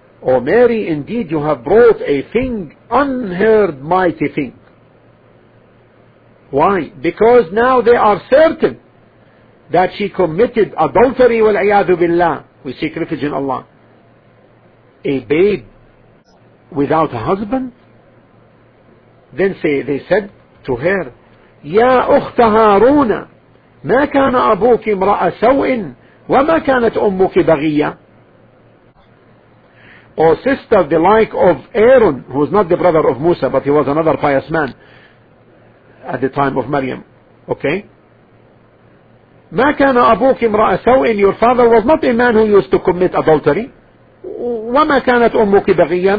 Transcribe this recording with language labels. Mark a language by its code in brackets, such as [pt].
[en] O Mary, indeed you have brought a thing, unheard mighty thing. Why? Because now they are certain that she committed adultery, [ar] وَالْعِيَاذُ بِاللَّهِ, [en] we seek refuge in Allah. A babe without a husband? Then they said, to her, [ar] يَا أُخْتَ هَارُونَ مَا كَانَ أَبُوكِ امْرَأَ سَوْءٍ وَمَا كَانَتْ أُمُّكِ بَغِيًّا. [en] O sister, the like of Aaron, who is not the brother of Musa, but he was another pious man at the time of Maryam. [ar] Okay? مَا كَانَ أَبُوكِ امْرَأَ سَوْءٍ. [en] Your father was not a man who used to commit adultery. [ar] وَمَا كَانَتْ أُمُّكِ بَغِيًّا.